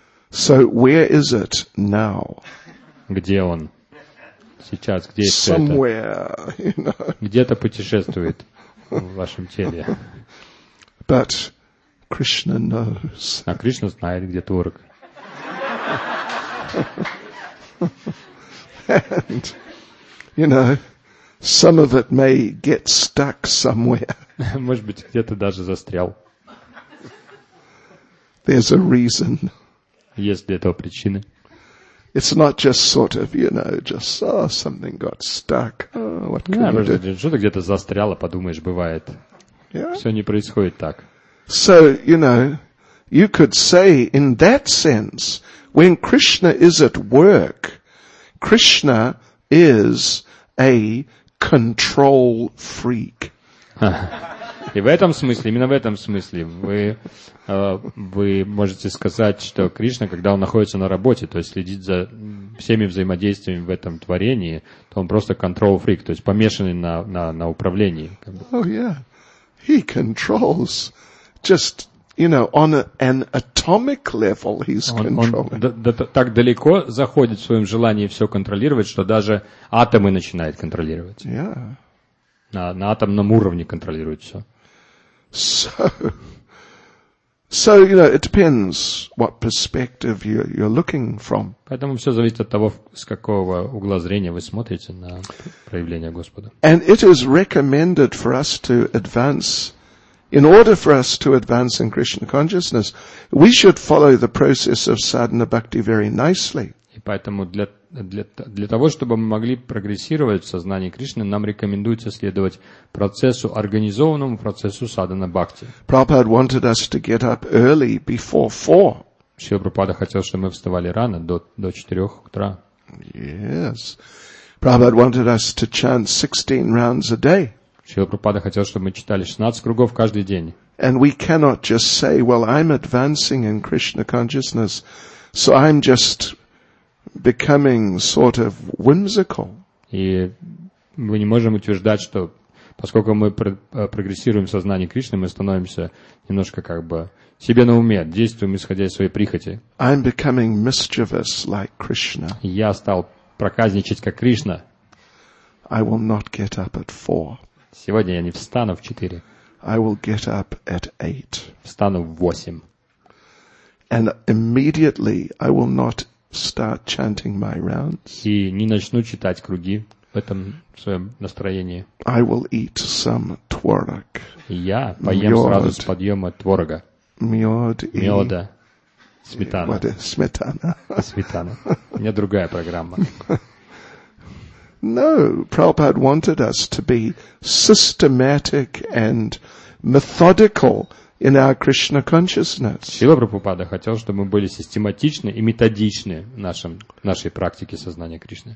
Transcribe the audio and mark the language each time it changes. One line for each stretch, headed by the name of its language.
English: So where is it now?
Russian: Где он сейчас? Где
English: somewhere,
Russian: это?
English: You know.
Russian: Где-то путешествует в вашем теле.
English: But Krishna knows.
Russian: А Кришна знает, где творог.
English: And, you know, some of it may get stuck somewhere.
Russian: Может быть, где-то даже застрял.
English: There's a reason.
Russian: Есть для этого причины.
English: It's not just sort of, you know, just oh, something got stuck. Oh, what can you do?
Russian: Что-то где-то застряло, подумаешь, бывает.
English: Yeah.
Russian: Все не происходит так.
English: So, you know, you could say in that sense, when Krishna is at work, Krishna is a control freak.
Russian: И в этом смысле, именно в этом смысле, вы можете сказать, что Кришна, когда он находится на работе, то есть следит за всеми взаимодействиями в этом творении, то он просто
English: control freak,
Russian: то есть помешанный на управлении.
English: Oh yeah, he controls just, you know, on an atomic level he's controlling.
Russian: Он так далеко заходит в своем желании все контролировать, что даже атомы начинает контролировать.
English: Yeah.
Russian: На атомном уровне контролирует все.
English: So, you know, it depends what perspective you're looking from.
Russian: Поэтому все зависит от того, с какого угла зрения вы смотрите на проявление Господа.
English: And it is recommended for us to advance. In order for us to advance in Krishna consciousness, we should follow the process of sadhana bhakti very nicely.
Russian: И поэтому для того, чтобы мы могли прогрессировать в сознании Кришны, нам рекомендуется следовать процессу, организованному процессу садхана бхакти.
English: Prabhupada wanted us to get up early before four.
Russian: Шрила Прабхупада хотел, чтобы мы вставали рано, до 4 утра.
English: Yes. Prabhupada wanted us to chant 16 rounds a day.
Russian: Шрила Прабхупада хотел, чтобы мы читали 16 кругов каждый день.
English: And we cannot just say, well, I'm advancing in Krishna consciousness, so I'm just becoming sort of whimsical.
Russian: И мы не можем утверждать, что поскольку мы прогрессируем в сознании Кришны, мы становимся немножко как бы себе на уме, действуем исходя из своей прихоти.
English: I'm becoming mischievous like Krishna.
Russian: Я стал проказничать как Кришна.
English: I will not get up at four.
Russian: Сегодня я не встану в 4.
English: I will get up at 8.
Russian: Встану в 8.
English: And immediately I will not start chanting my rounds.
Russian: И не начну читать круги в этом своем настроении.
English: I will eat some творог.
Russian: Я поем сразу с подъема творога. Мёда. Сметана. Сметана. Сметана. У меня другая программа.
English: No, Prabhupada wanted us to be systematic and methodical in our Krishna consciousness.
Russian: Шрила Прабхупада хотел, чтобы мы были систематичны и методичны в нашей практике сознания Кришны.